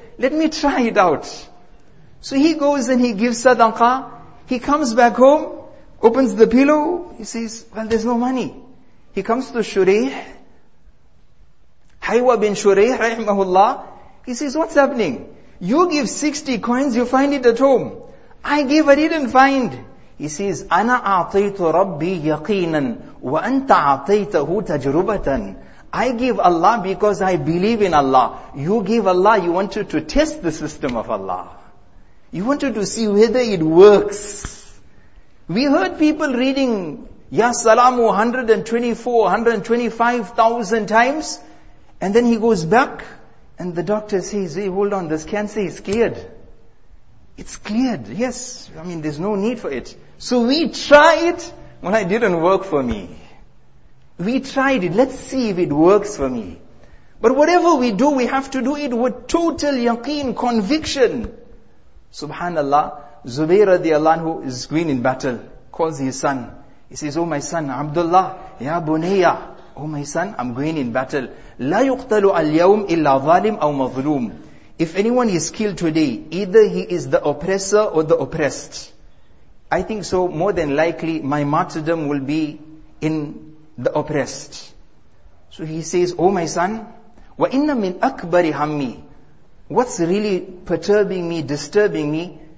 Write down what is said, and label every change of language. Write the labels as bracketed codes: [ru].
[en] Let me try it out. So he goes and he gives sadaqah. He comes back home, opens the pillow. He says, well, there's no money. He comes to Shureyh. Haywa bin Shureyh, rahimahullah. He says, what's happening? You give 60 coins, you find it at home. I give, I didn't find. He says, [ar] أَنَا أَعْطَيْتُ رَبِّي يَقِينًا وَأَنْتَ أَعْطَيْتَهُ تَجْرُبَةً. [en] I give Allah because I believe in Allah. You give Allah, you wanted to test the system of Allah. You wanted to see whether it works. We heard people reading Ya Salamu 124, 125,000 times. And then he goes back and the doctor says, hey, hold on, this cancer is cleared. It's cleared, yes. I mean, there's no need for it. So we try it. Well, it didn't work for me. We tried it. Let's see if it works for me. But whatever we do, we have to do it with total yaqeen, conviction. Subhanallah, Zubayr radiallahu anhu is green in battle, calls his son. He says, oh my son, Abdullah, [ar] ya bunayya. [en] Oh my son, I'm going in battle. [ar] لا يقتل اليوم إلا ظالم أو مظلوم. [en] If anyone is killed today, either he is the oppressor or the oppressed. I think so, more than likely, my martyrdom will be in the oppressed. So he says, oh my son, [ar] وَإِنَّ مِنْ أَكْبَرِ هَمِّي. [en] What's really perturbing me, disturbing me?